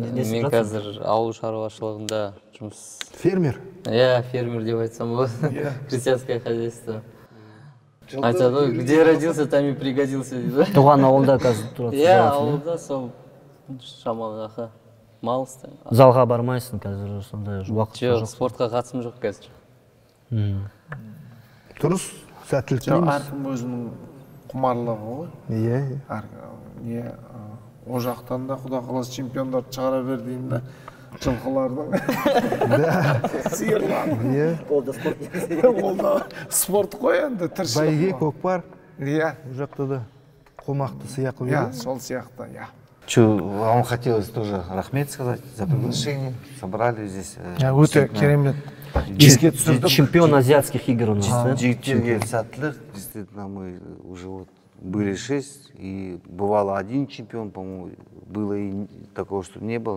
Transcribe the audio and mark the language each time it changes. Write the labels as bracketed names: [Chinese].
[Kazakh] Мен қазір ауыл шаруашылығында жұмыс. Фермер? Иә, фермер деп айтсам болады. [Russian] Крестьянское хозяйство. [Kazakh] Айтады ғой, [Russian] где родился, там и пригодился. [Kazakh] Туған ауылда қазір тұрасың. Иә, ауылда сол шамалы жақы. Мал ұстаймын. Залға бармайсың қазір, сондай уақыт жоқ. Жоқ, спортқа қатысым жоқ қазір. Дұрыс. Әркім өзінің құмарлығы ғой. Иә, иә. Ол жақтан да Құда қаласы чемпиондарды шығара бер деймін да, жылқылардың. Сиырлардың. Ол да спорт қой енді, тіршілік. Байге көкпар. Иә. Ол жақта да қомақты сияқты. Иә, сол сияқты, иә. [Russian] Че, вам хотелось тоже рахмет сказать за приглашение. Собрали здесь. Я вот керемет. Чемпион азиатских игр у нас, да? Действительно, мы уже вот были 6, и бывало один чемпион, по-моему, было и такого, что не было.